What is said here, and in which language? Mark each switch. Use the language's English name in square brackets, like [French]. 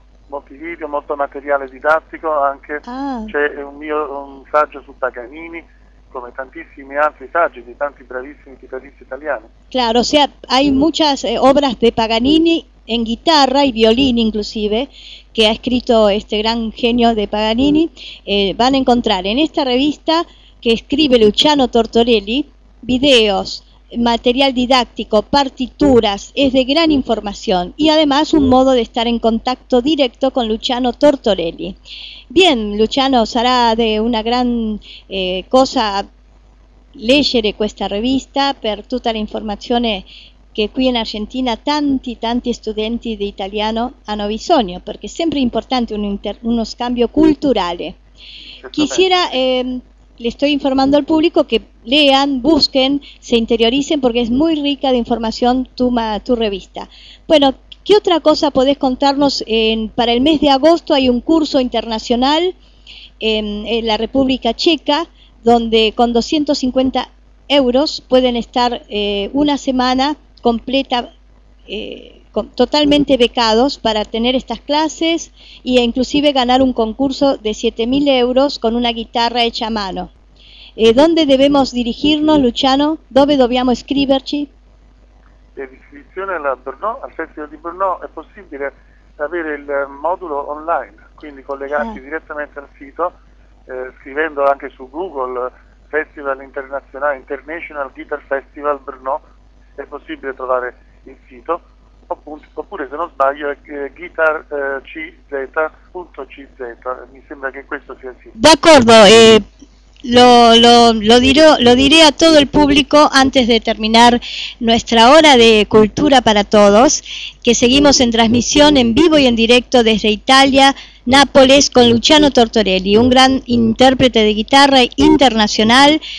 [Italian] Molti video, molto materiale didattico anche. C'è un saggio su Paganini, come tantissimi altri saggi di tanti bravissimi chitarristi italiani. [Spanish] Claro, o sea, hay muchas obras de Paganini en guitarra y violín inclusive, que ha escrito este gran genio de Paganini, van a encontrar en esta revista que escribe Luciano Tortorelli, videos, material didáctico, partituras, es de gran información, y además un modo de estar en contacto directo con Luciano Tortorelli. Bien, Luciano, será de una gran cosa [Italian] leggere [Spanish] esta revista [Italian] per tutta la informazione che qui in Argentina tanti, tanti studenti di italiano hanno bisogno, perché è sempre importante uno scambio culturale. [Spanish] Quisiera, [Italian] le sto informando al pubblico che [Spanish] lean, busquen, se interioricen, [Italian] perché è molto ricca di informazione [Spanish] tu revista. Bueno, ¿qué otra cosa podés contarnos? Para [Italian] il mese di agosto [Spanish] hay un curso internazionale en la Repubblica Checa, donde con 250 euros pueden estar una semana completa totalmente becados para tener estas clases e inclusive ganar un concurso de 7.000 euros con una guitarra hecha a mano. ¿Dónde debemos dirigirnos, Luciano? [Italian] ¿Dónde dobbiamo iscriverci? [Spanish] La inscripción a Brno, al Festival de Brno, [Italian] es posible avere [Spanish] el módulo online, [Italian] quindi collegarsi direttamente al sito, scrivendo anche su Google Festival Internazionale, International Guitar Festival Brno, è possibile trovare il sito, oppure se non sbaglio è guitarcz.cz, mi sembra che questo sia il sito. D'accordo, [Spanish] lo diré a todo el público antes de terminar nuestra hora de cultura para todos, que seguimos en transmisión en vivo y en directo desde Italia, Nápoles, con Luciano Tortorelli, un gran intérprete de guitarra internacional